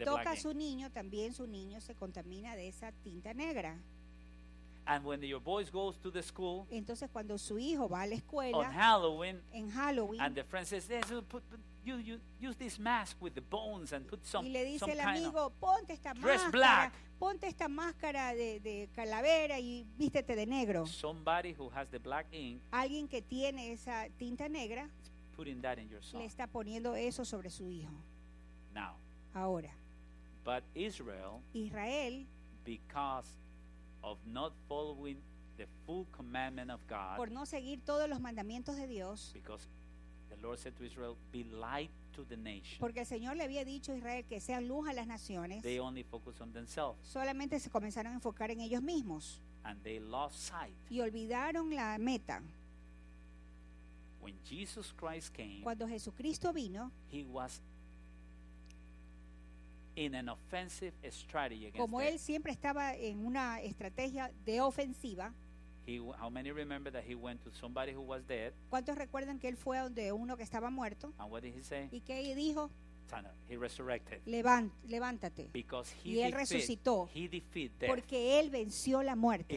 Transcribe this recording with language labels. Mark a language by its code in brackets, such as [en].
[es] Y toca su niño, también su niño se contamina de esa tinta negra. [en] And when your boy goes to the school, [es] entonces cuando su hijo va a la escuela, [en] on Halloween, [es] en Halloween, [en] and the friend says, "Yes, you use this mask with the bones and put some." [es] Y le dice el amigo, ponte esta máscara, [en] dress black. [es] Ponte esta máscara de calavera y vístete de negro. [en] Somebody who has the black ink, [es] alguien que tiene esa tinta negra, [en] putting that in your son. [es] Le está poniendo eso sobre su hijo. [en] Now, [es] ahora, [en] but Israel, because of not following the full commandment of God, [es] por no seguir todos los mandamientos de Dios, [en] because the Lord said to Israel, "Be light to the nation." [es] Porque el Señor le había dicho a Israel que sean luz a las naciones. [en] They only focused on themselves. [es] Solamente se comenzaron a enfocar en ellos mismos. [en] And they lost sight. [es] Y olvidaron la meta. [en] When Jesus Christ came, [es] cuando Jesucristo vino, [en] he was in an offensive strategy against. [es] Como él siempre estaba en una estrategia de ofensiva. [en] How many remember that he went to somebody who was dead? [es] ¿Cuántos recuerdan que él fue donde uno que estaba muerto? [en] And what did he say? [es] ¿Y qué dijo? [en] He resurrected. [es] Levántate. [en] Because he [es] y él resucitó. [en] He defeated death. [es] Porque él venció la muerte.